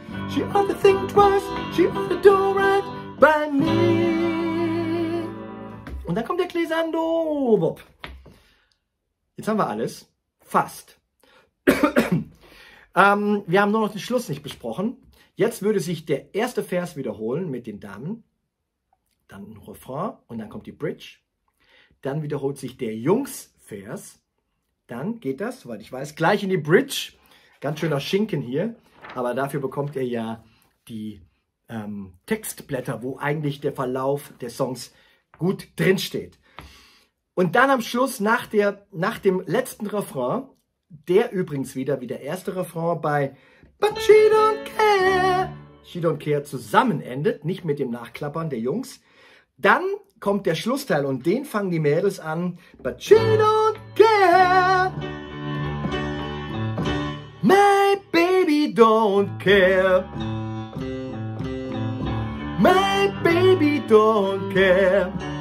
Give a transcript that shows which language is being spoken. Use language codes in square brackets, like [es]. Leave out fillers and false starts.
[en] She ought to think twice, she ought to do right by me. [de] Und dann kommt der Glissando. Jetzt haben wir alles. Fast. wir haben nur noch den Schluss nicht besprochen. Jetzt würde sich der erste Vers wiederholen mit den Damen. Dann ein Refrain und dann kommt die Bridge. Dann wiederholt sich der Jungs-Vers. Dann geht das, soweit ich weiß, gleich in die Bridge. Ganz schöner Schinken hier. Aber dafür bekommt ihr ja die Textblätter, wo eigentlich der Verlauf der Songs gut drinsteht. Und dann am Schluss, nach dem letzten Refrain, der übrigens wieder wie der erste Refrain bei [en] But She Don't Care, She Don't Care [de] zusammenendet, nicht mit dem Nachklappern der Jungs, dann kommt der Schlussteil und den fangen die Mädels an. [en] But She Don't Care, My Baby Don't Care, My Baby Don't Care.